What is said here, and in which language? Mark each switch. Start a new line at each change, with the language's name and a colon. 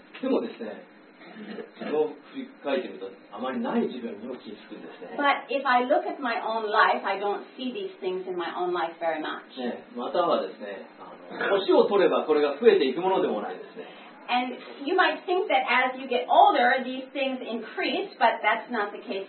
Japanese: でもですね、を振り返ってみるとあまりない自分にも気づくんですね。
English: But if I look at my own life, I don't see these things in my own life very much.
Japanese: ね、またはですね、年を取ればこれが増えていくものでもないですね。
English: And you might think that as you get older, these things increase, but that's not the case